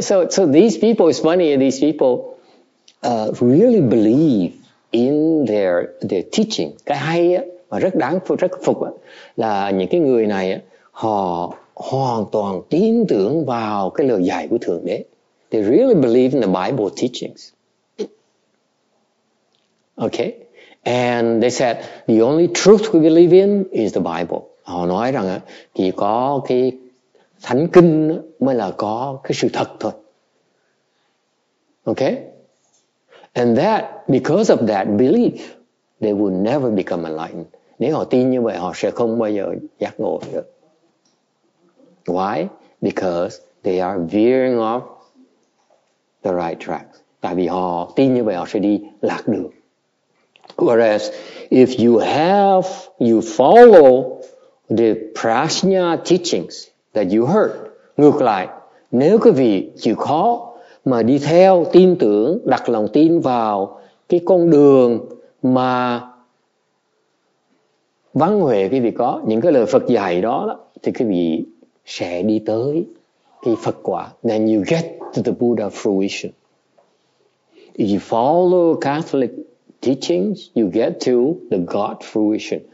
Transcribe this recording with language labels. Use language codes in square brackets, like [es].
[en] So these people, it's funny, these people really believe in their teaching. [vi] Cái hay á, mà rất đáng rất phục á, là những cái người này á, họ hoàn toàn tin tưởng vào cái lời dạy của Thượng Đế. [en] They really believe in the Bible teachings. Okay? And they said, the only truth we believe in is the Bible. [vi] Họ nói rằng á, chỉ có cái Thánh Kinh mới là có cái sự thật thôi. [en] Okay? And that, because of that belief, they will never become enlightened. [vi] Nếu họ tin như vậy, họ sẽ không bao giờ giác ngộ được. [en] Why? Because they are veering off the right track. [vi] Tại vì họ tin như vậy, họ sẽ đi lạc đường. [en] Whereas, if you have, you follow the prajna teachings that you heard, [vi] ngược lại, nếu quý vị chịu khó mà đi theo, tin tưởng, đặt lòng tin vào cái con đường mà văn huệ quý vị có, những cái lời Phật dạy đó, thì quý vị sẽ đi tới cái Phật quả. [en] Then you get to the Buddha fruition. If you follow Catholic teachings, you get to the God fruition.